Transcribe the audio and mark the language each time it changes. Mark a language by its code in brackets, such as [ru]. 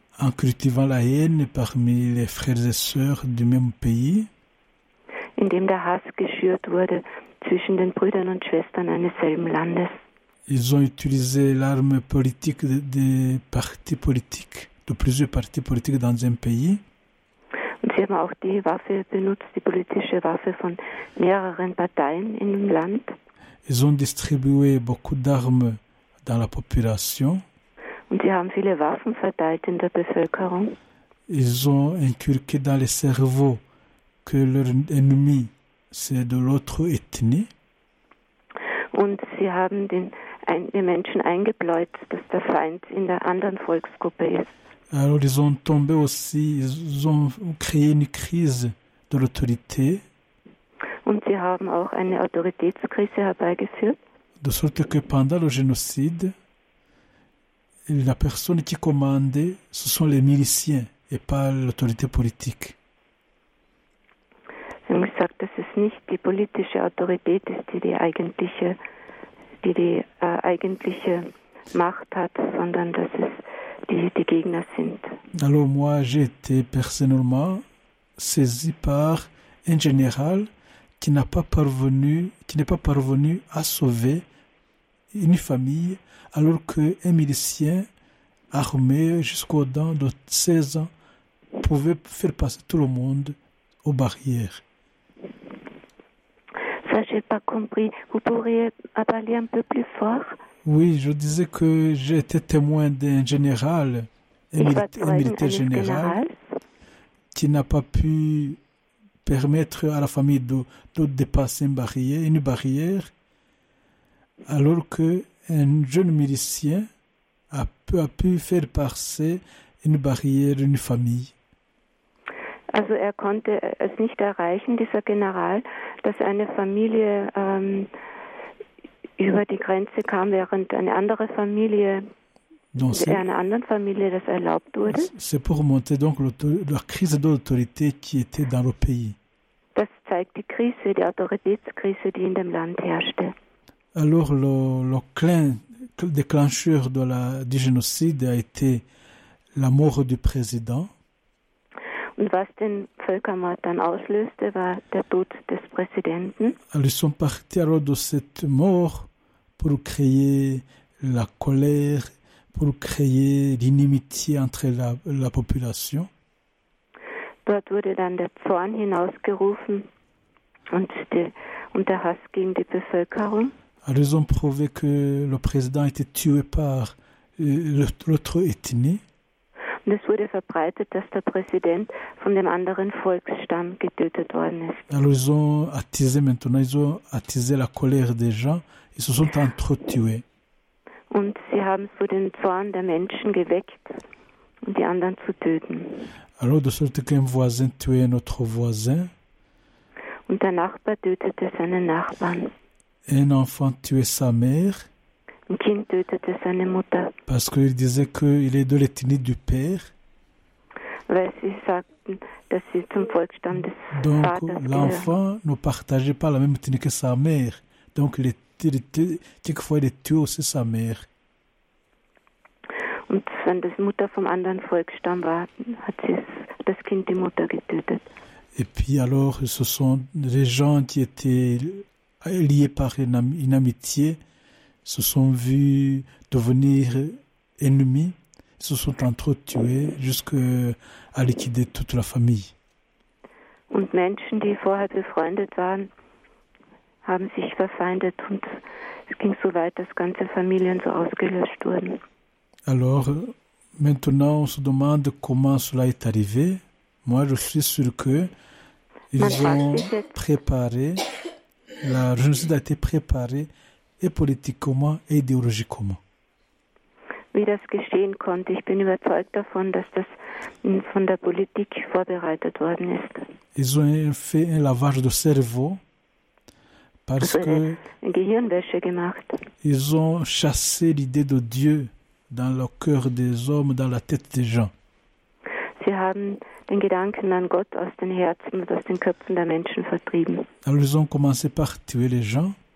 [fr] En cultivant la haine parmi les frères et sœurs du même pays. [de] Indem der Hass geschürt wurde zwischen den Brüdern und Schwestern eines selben Landes. [fr] Ils ont utilisé l'arme politique des partis politiques. De plusieurs partis politiques dans un pays. [de] Und sie haben auch die Waffe benutzt, die politische Waffe von mehreren Parteien in dem Land. [fr] Ils ont distribué beaucoup d'armes dans la population. [de] Und sie haben viele Waffen verteilt in der Bevölkerung. [fr] Ils ont inculqué dans les cerveaux que leur ennemi c'est de l'autre ethnie. [de] Und sie haben den Menschen eingebläut, dass der Feind in der anderen Volksgruppe ist. [fr] Alors, ils ont tombé aussi, ils ont créé une crise de l'autorité. [de] Und sie haben auch eine Autoritätskrise herbeigeführt. [fr] De sorte que pendant le génocide, la personne qui commandait, ce sont les miliciens et pas l'autorité politique. [de] Sie haben gesagt, dass es nicht die politische Autorität ist, die eigentliche Macht hat, sondern dass es die Gegner sind. [fr] Alors moi, j'ai été personnellement saisi par un général qui n'est pas parvenu à sauver une famille, alors qu'un milicien armé jusqu'aux dents de 16 ans pouvait faire passer tout le monde aux barrières. Ça, je n'ai pas compris. Vous pourriez parler un peu plus fort? Oui, je disais que j'ai été témoin d'un général, un militaire général, qui n'a pas pu permettre à la famille de dépasser une barrière, alors qu'un jeune milicien a pu faire passer une barrière, une famille. [de] Also er konnte es nicht erreichen, dieser General, dass eine Familie über die Grenze kam, während einer anderen Familie das erlaubt wurde. [fr] C'est pour montrer donc la crise d'autorité qui était dans le pays. [de] Das zeigt die Krise, die Autoritätskrise, die in dem Land herrschte. [fr] Alors le clin déclencheur du génocide a été la mort du président. [de] Und was den Völkermord dann auslöste, war der Tod des Präsidenten. [fr] Alors, ils sont partis alors de cette mort pour créer la colère, pour créer l'inimitié entre la population. [de] Dort wurde dann der Zorn hinausgerufen und der Hass gegen die Bevölkerung. [fr] Alors, ils ont prouvé que le président était tué par l'autre ethnie. [de] Und es wurde verbreitet, dass der Präsident von dem anderen Volksstamm getötet worden ist. [fr] Alors, ils ont attisé maintenant, ils ont attisé la colère des gens, ils se sont entretués. [de] Und sie haben so den Zorn der Menschen geweckt, um die anderen zu töten. [fr] Alors, de sorte qu'un voisin tuait un autre voisin. [de] Und der Nachbar tötete seinen Nachbarn. [fr] Un enfant tuait sa mère. [de] Un kind tötete seine Mutter. [fr] Parce qu'il disait qu'il est de l'ethnie du père. [de] Weil sie sagten, dass sie zum Volksstamm des [fr] Donc, [de] Vaters [fr] l'enfant [de] gehören. [fr] Ne partageait pas la même ethnie que sa mère. Donc, quelquefois, il tuait aussi sa mère. [de] Und wenn das Mutter vom anderen Volksstamm war, hat sie das Kind die Mutter getötet. [fr] Et puis, alors, ce sont les gens qui étaient liés par une amitié, se sont vus devenir ennemis, se sont entretués jusqu'à liquider toute la famille. [de] Und Menschen, die vorher befreundet waren, haben sich verfeindet und es ging so weit, dass ganze Familien so ausgelöscht wurden. [fr] Alors, maintenant, on se demande comment cela est arrivé. Moi, je suis sûr que ils ont préparé. La génocide a été préparée et politiquement et idéologiquement. [de] Wie das geschehen konnte, ich bin überzeugt davon, dass das von der Politik vorbereitet worden ist. [fr] Ils ont fait un lavage de cerveau parce que [de] une Gehirnwäsche gemacht. [fr] Ils ont chassé l'idée de Dieu dans le cœur des hommes, dans la tête des gens. [de] Sie haben den Gedanken an Gott aus den Herzen und aus den Köpfen der Menschen vertrieben. [fr] Alors, ils ont commencé par tuer les gens.